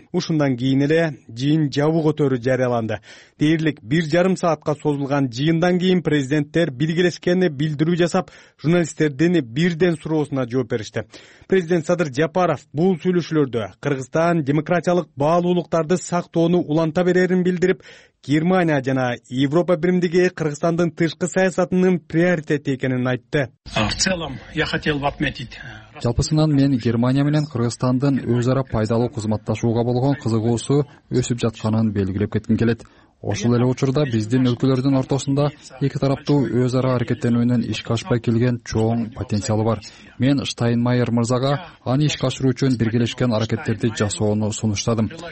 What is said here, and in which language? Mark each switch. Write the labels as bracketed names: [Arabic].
[Kyrgyz] Ушундан кийин эле жыйын жабык өтөрү жарыяланды. Дээрлик 1.5 саатка созулган жыйындан кийин президенттер биргелешкенин билдирүү жасап, журналисттердин бирден суроосуна жооп беришти. Президент Садыр Жапаров бул сүйлөшүүлөрдө Кыргызстан демократиялык баалуулуктарды сактоону уланта берерин билдирип, Германия жана Европа биримдиги Кыргызстандын тышкы саясатынын приоритети экенин айтты. [Russian] В целом, я хотел бы отметить. [Kyrgyz] Жалпысынан мен Германия менен Кыргызстандын өз ара пайдалуу кызматташууга болгон кызыгуусу өсүп жатканын белгилеп кетким келет. Ошол эле учурда биздин өлкөлөрдүн ортосунда эки тараптуу өз ара аракеттенүүнүн ишке ашпай келген чоң потенциалы бар. Мен Штайнмайер мырзага аны ишке ашыруу үчүн биргелешкен аракеттерди жасоону сунуштадым.